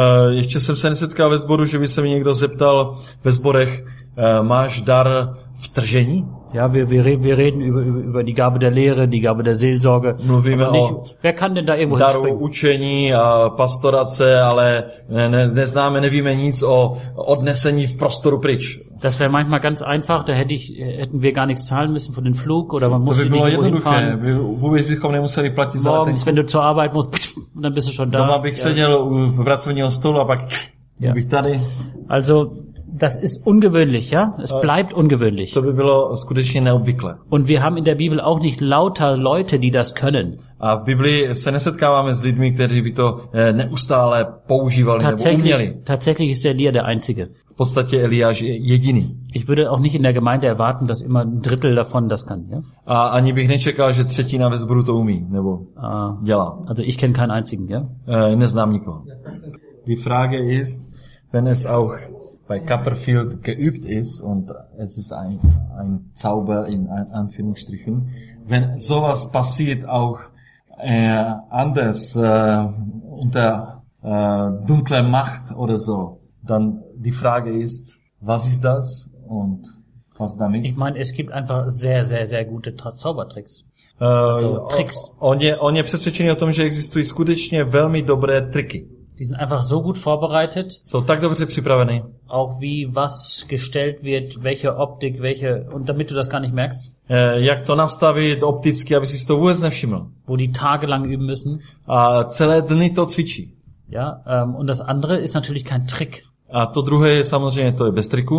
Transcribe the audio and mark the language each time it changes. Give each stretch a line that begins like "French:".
Czech: Ještě jsem se nesetkal ve sboru, že by se mi někdo zeptal ve sborech, máš dar vtržení?
German: Ja, wir reden über die Gabe der Lehre, die Gabe der Seelsorge.
Czech: Mluvíme
German: nicht,
Czech: o
German: wer kann denn da irgendwo
Czech: daru
German: hinspringen?
Czech: Učení a pastorace, ale neznáme, nevíme nic o odnesení v prostoru pryč.
German: Das wäre manchmal ganz einfach, da hätten wir gar nichts zahlen müssen für den Flug oder man musste nicht irgendwo hinfahren.
Czech: Vůbec bychom nemuseli platit za letenku.
German: Morgens, wenn du zur Arbeit musst, dann bist du schon da.
Czech: Doma bych seděl u pracovního stolu a pak bych tady.
German: Also, das ist ungewöhnlich, ja? Es bleibt ungewöhnlich.
Czech: To by bylo skutečně neobvykle.
German: Und wir haben in der Bibel auch nicht lauter Leute, die das können.
Czech: A v Biblii se nesetkáváme s lidmi, kteří by to neustále používali nebo uměli.
German: Tatsächlich ist Elia der Einzige.
Czech: V podstatě Eliáš je jediný.
German: Ich würde auch nicht in der Gemeinde erwarten, dass immer ein Drittel davon das kann, ja?
Czech: A ani bych nečekal, že třetina ve sboru to umí, nebo dělá.
German: Also ich kenne keinen Einzigen, ja?
Czech: Neznám nikoho.
German: Die Frage ist, wenn es auch bei Copperfield geübt ist und es ist ein Zauber in Anführungsstrichen, wenn sowas passiert auch anders unter dunkler Macht oder so, dann die Frage ist, was ist das und was damit? Ich meine, es gibt einfach sehr, sehr, sehr gute Zaubertricks. Tricks.
Czech: On je přesvědčený o tom, že existují skutečně velmi dobré triky.
German: Die sind einfach so gut vorbereitet.
Czech: So, tak dobře připravený.
German: Auch wie was gestellt wird, welche Optik, welche, und damit du das gar nicht merkst.
Czech: Jak to nastavit opticky, aby si to vůbec nevšiml.
German: Wo die tagelang üben müssen.
Czech: A celé dny to cvičí.
German: Ja, und das andere ist natürlich kein Trick.
Czech: A to druhé je samozřejmě, to je bez triku.